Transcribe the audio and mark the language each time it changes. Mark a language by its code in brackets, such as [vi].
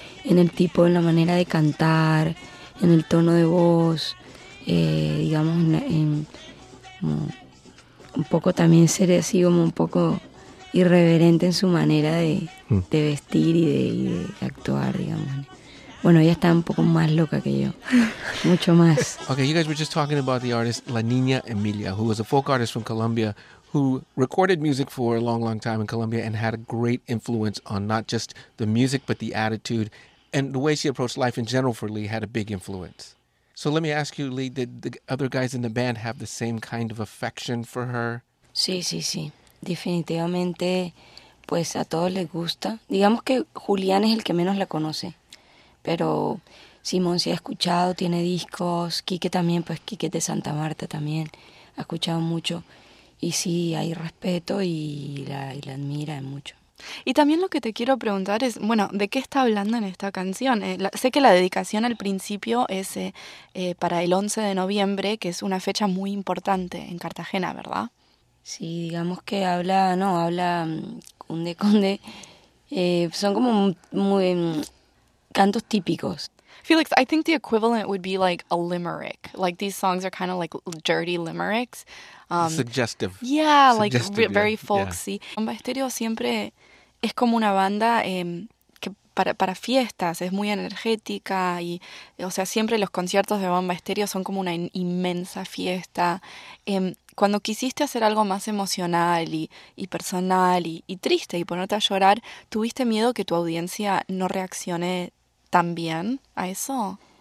[es] en el tipo, en la manera de cantar, en el tono de voz, digamos, en como, un poco también ser así como un poco irreverente en su manera de vestir y de actuar, digamos. Bueno, ella está un poco más loca que yo, mucho más. [en] Okay, you guys were just talking about the artist La Niña Emilia, who was a folk artist from Colombia, who recorded music for a long, long time in Colombia and had a great influence on not just the music, but the attitude and the way she approached life in general for Lee had a big influence. So let me ask you, Lee, did the other guys in the band have the same kind of affection for her? [es] Sí, sí, sí. Definitivamente, pues a todos les gusta. Digamos que Julián es el que menos la conoce. Pero Simón sí ha escuchado, tiene discos. Quique también, pues Quique de Santa Marta también ha escuchado mucho. Y sí, hay respeto y la admira mucho. Y también lo que te quiero preguntar es, bueno, ¿de qué está hablando en esta canción? Sé que la dedicación al principio es para el 11 de noviembre, que es una fecha muy importante en Cartagena, ¿verdad? Sí, digamos que habla Cunde Cunde. Son como muy cantos típicos. [en] Felix, I think the equivalent would be like a limerick. Like these songs are kind of like dirty limericks. Suggestive. Yeah, suggestive, like very folksy. Yeah. [es] Bomba Estéreo siempre es como una banda que para fiestas es muy energética y, o sea, siempre los conciertos de Bomba Estéreo son como una inmensa fiesta. Cuando quisiste hacer algo más emocional y personal y triste y ponerte a llorar, ¿tuviste miedo que tu audiencia no reaccione tan bien a eso?